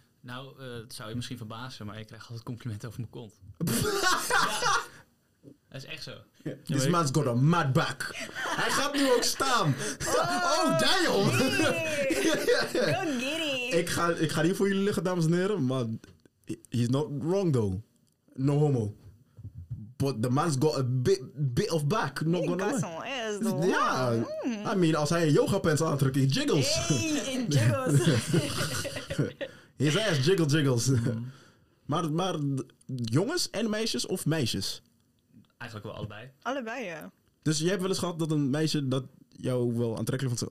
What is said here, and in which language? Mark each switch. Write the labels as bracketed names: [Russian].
[Dutch] Nou, het zou je misschien verbazen, maar ik krijg altijd complimenten over mijn kont. Dat is echt zo. Ja. [English] This man's got a mad back. [Dutch] Hij gaat nu ook staan. [English] Oh damn. Yeah. Don't get it. [Dutch] Ik ga hier voor jullie liggen, dames en heren. [English] Maar he's not wrong, though. No homo. But the man's got a bit of back. Not he gonna got lie. Some ass, though. Yeah. [Dutch] Mm. [English] I mean, [Dutch] als hij een yoga pants aantrekt, hij jiggles. [English] Hey, jiggles. His ass jiggles. Mm. [Dutch] Maar jongens en meisjes of meisjes? Eigenlijk wel allebei. Allebei, ja. Dus je hebt wel eens gehad dat een meisje dat jou wel aantrekkelijk vond.